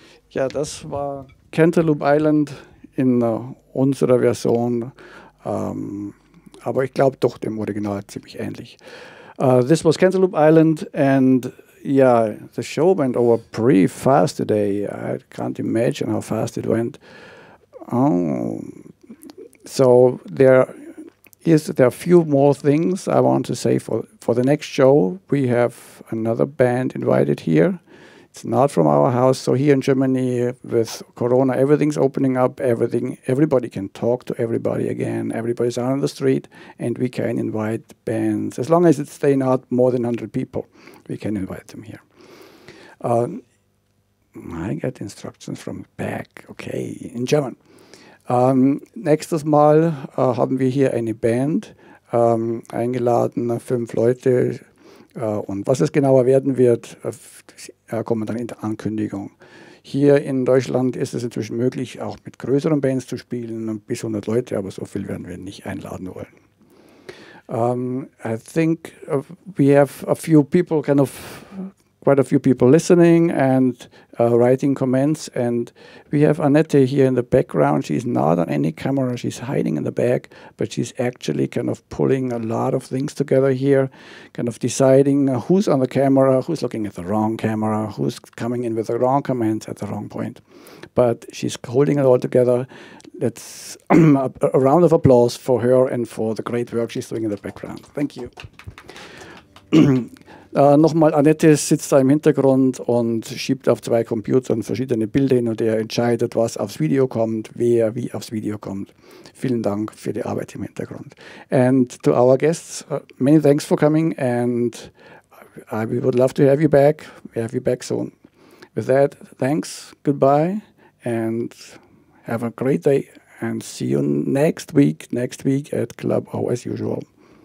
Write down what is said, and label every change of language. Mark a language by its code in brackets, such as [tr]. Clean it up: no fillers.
[de] Ja, das war Cantaloupe Island in unserer Version, aber ich glaube doch dem Original ziemlich ähnlich. [en] This was Cantaloupe Island, and yeah, the show went over pretty fast today. I can't imagine how fast it went. Oh, so there are a few more things I want to say for the next show. We have another band invited here. It's not from our house. So here in Germany, with Corona, everything's opening up. Everybody can talk to everybody again. Everybody's out on the street, and we can invite bands. As long as it's not more than 100 people, we can invite them here. I get instructions from back. Okay, in German. [de] Nächstes Mal haben wir hier eine Band eingeladen, 5 Leute. Und was es genauer werden wird, kommen dann in der Ankündigung. Hier in Deutschland ist es inzwischen möglich, auch mit größeren Bands zu spielen, bis 100 Leute, aber so viel werden wir nicht einladen wollen. [en] I think we have a few people, quite a few people listening and writing comments, and we have Annette here in the background. She's not on any camera, she's hiding in the back, but she's actually kind of pulling a lot of things together here, kind of deciding who's on the camera, who's looking at the wrong camera, who's coming in with the wrong comments at the wrong point. But she's holding it all together. Let's a round of applause for her and for the great work she's doing in the background. Thank you. [de] Nochmal, Annette sitzt da im Hintergrund und schiebt auf 2 Computern verschiedene Bilder hin und er entscheidet, was aufs Video kommt, wer wie aufs Video kommt. Vielen Dank für die Arbeit im Hintergrund. [en] And to our guests, many thanks for coming and we would love to have you back. We have you back soon. With that, thanks, goodbye and have a great day and see you next week at Club O as usual.